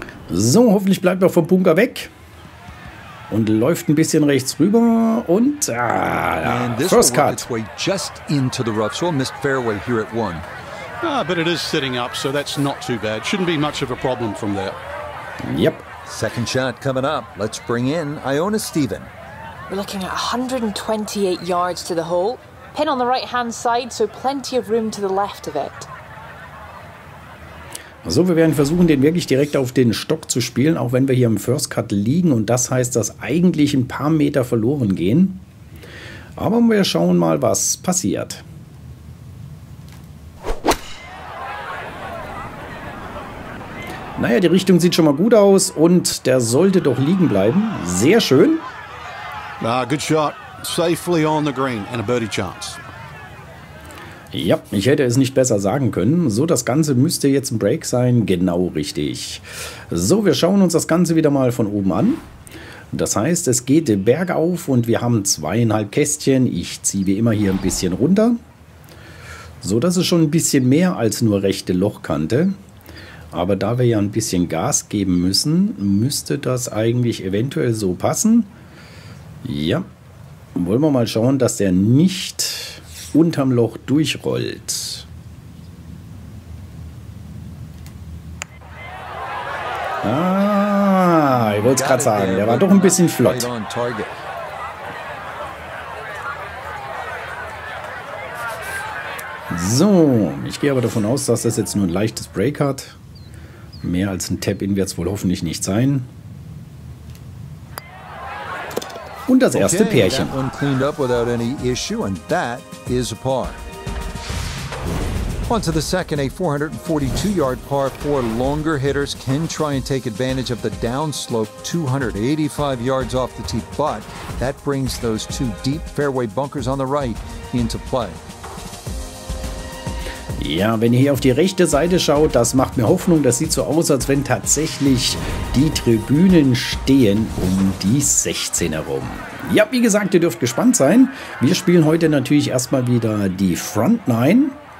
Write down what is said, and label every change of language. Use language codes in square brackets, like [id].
[de] So, hoffentlich bleibt er vom Bunker weg. Und läuft ein bisschen rechts rüber und first cut. [en] It's way just into the rough, so a missed fairway here at one. Ah, but it is sitting up, so that's not too bad. Shouldn't be much of a problem from there. Yep. Second shot coming up. Let's bring in Iona Stephen. We're looking at 128 yards to the hole. Pin on the right-hand side, so plenty of room to the left of it. [de] So, wir werden versuchen, den wirklich direkt auf den Stock zu spielen, auch wenn wir hier im First Cut liegen. Und das heißt, dass eigentlich ein paar Meter verloren gehen. Aber wir schauen mal, was passiert. Naja, die Richtung sieht schon mal gut aus und der sollte doch liegen bleiben. Sehr schön. [en] Ah, good shot. Safely on the green and a birdie chance. [de] Ja, ich hätte es nicht besser sagen können. So, das Ganze müsste jetzt ein Break sein. Genau richtig. So, wir schauen uns das Ganze wieder mal von oben an. Das heißt, es geht bergauf und wir haben 2,5 Kästchen. Ich ziehe wie immer hier ein bisschen runter. So, das ist schon ein bisschen mehr als nur rechte Lochkante. Aber da wir ja ein bisschen Gas geben müssen, müsste das eigentlich eventuell so passen. Ja, wollen wir mal schauen, dass der nicht unterm Loch durchrollt. Ah, ich wollte es gerade sagen. Der war doch ein bisschen flott. So, ich gehe aber davon aus, dass das jetzt nur ein leichtes Break hat. Mehr als ein Tap-In wird es wohl hoffentlich nicht sein. Und das erste Pärchen. [en] Okay, cleaned up without any issue, and that is a par. On to the second, a 442-yard par for longer hitters can try and take advantage of the downslope 285 yards off the tee, but that brings those two deep fairway bunkers on the right into play. [de] Ja, wenn ihr hier auf die rechte Seite schaut, das macht mir Hoffnung. Das sieht so aus, als wenn tatsächlich die Tribünen stehen um die 16 herum. Ja, wie gesagt, ihr dürft gespannt sein. Wir spielen heute natürlich erstmal wieder die Front Nine.